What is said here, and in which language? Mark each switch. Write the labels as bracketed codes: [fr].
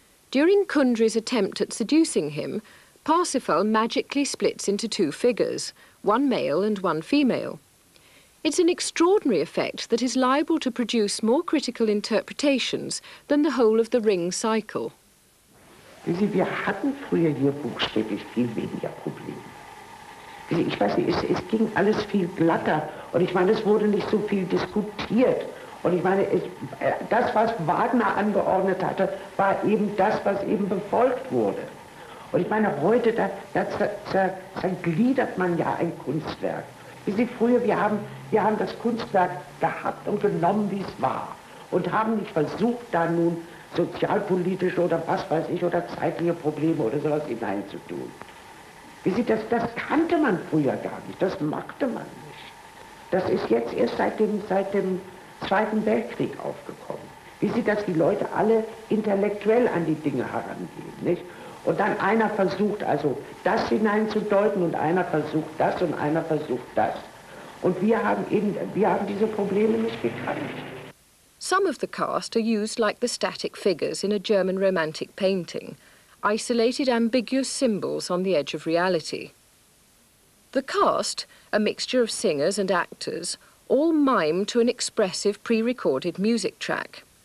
[en] During Kundry's attempt at seducing him, Parsifal magically splits into two figures, one male and one female. It's an extraordinary effect that is liable to produce more critical interpretations than the whole of the Ring cycle. You see, we had [de] früher hier buchstäblich viel weniger Probleme. Ich weiß nicht, es ging alles viel glatter. Und ich meine, es wurde nicht so viel diskutiert. Und ich meine, das, was Wagner angeordnet hatte, war eben das, was eben befolgt wurde. Und ich meine, heute, da zergliedert man ja ein Kunstwerk. Wie Sie früher, wir haben das Kunstwerk gehabt und genommen, wie es war. Und haben nicht versucht, da nun sozialpolitische oder was weiß ich, oder zeitliche Probleme oder sowas hineinzutun. Wie Sie, das kannte man früher gar nicht, das machte man nicht. Das ist jetzt erst seit dem Zweiten Weltkrieg aufgekommen. Wie sieht das, die Leute alle intellektuell an die Dinge herangehen, nicht? Und dann einer versucht also das hineinzudeuten und einer versucht das und einer versucht das. Und wir haben diese Probleme nicht gekannt. [en] Some of the cast are used like the static figures in a German romantic painting, isolated ambiguous symbols on the edge of reality. The cast, a mixture of singers and actors, all mime to an expressive pre-recorded music track.